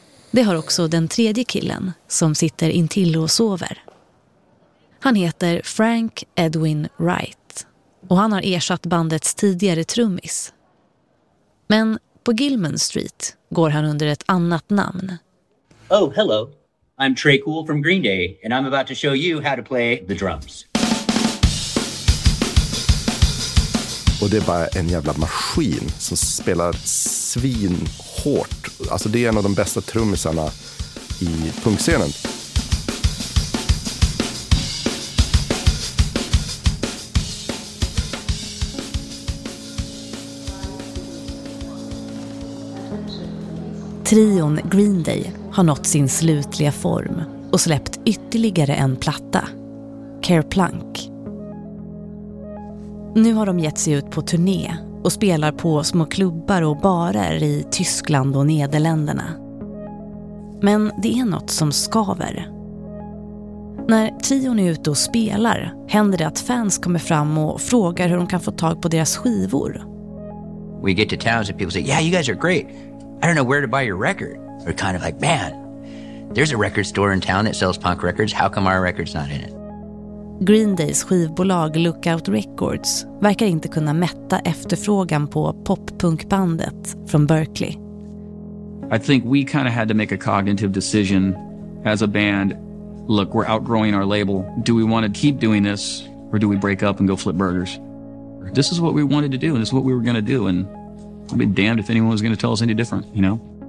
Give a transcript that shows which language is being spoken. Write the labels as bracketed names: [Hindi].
[Swedish] Det har också den tredje killen som sitter intill och sover. Han heter Frank Edwin Wright. Och han har ersatt bandets tidigare trummis. Men på Gilman Street går han under ett annat namn. [English] Oh, hello. I'm Trey Cool from Green Day and I'm about to show you how to play the drums. [Swedish] Och det är bara en jävla maskin som spelar svinhårt. Alltså det är en av de bästa trummisarna i punkscenen. Trion Green Day har nått sin slutliga form och släppt ytterligare en platta, Kerplunk. Nu har de gett sig ut på turné och spelar på små klubbar och barer i Tyskland och Nederländerna. Men det är något som skaver. När trion är ute och spelar händer det att fans kommer fram och frågar hur de kan få tag på deras skivor. [English] We get to towns and people say, yeah, you guys are great. I don't know where to buy your record. We're kind of like, man, there's a record store in town that sells punk records. How come our record's not in it? [Swedish] Green Days skivbolag Lookout Records verkar inte kunna mätta efterfrågan på pop-punkbandet från Berkeley. [English] I think we kind of had to make a cognitive decision as a band. Look, we're outgrowing our label. Do we want to keep doing this or do we break up and go flip burgers? This is what we wanted to do and this is what we were going to do and I'd be damned if anyone was going to tell us any different, you know?